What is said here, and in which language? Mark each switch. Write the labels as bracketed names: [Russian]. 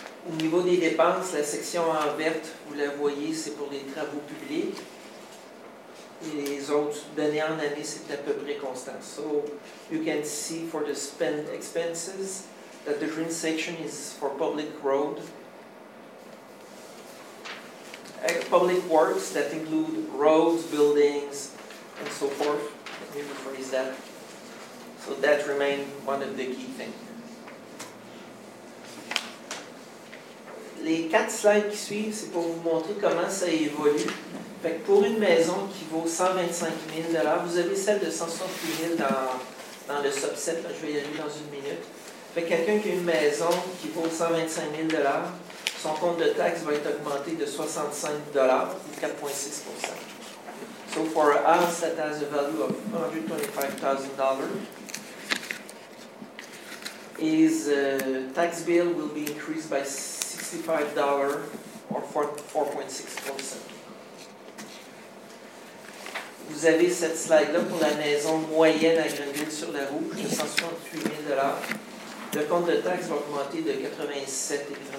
[French] Au niveau des dépenses, la section en verte, vous la voyez, c'est pour les travaux publics. Et les autres, d'année en année, c'est à peu près constant. [English] So, you can see for the spend expenses that the green section is for public road. Public works that include roads, buildings, and so forth. Let me rephrase that. So, that remains one of the key things. [French] Les quatre slides qui suivent, c'est pour vous montrer comment ça évolue. Fait que pour une maison qui vaut 125 000 $ vous avez celle de 168 000 dans le subset. Là, je vais y aller dans une minute. Fait que quelqu'un qui a une maison qui vaut 125 000 $ son compte de taxe va être augmenté de 65 $ ou 4,6%. [English] So for a house that has a value of $125,000. His tax bill will be increased by $65 or 4.6%. [French] Vous avez cette slide-là pour la maison moyenne à Grenville-sur-la-Rouge, de 168 000 $. Le compte de taxe va augmenter de 87 $ 4,8%.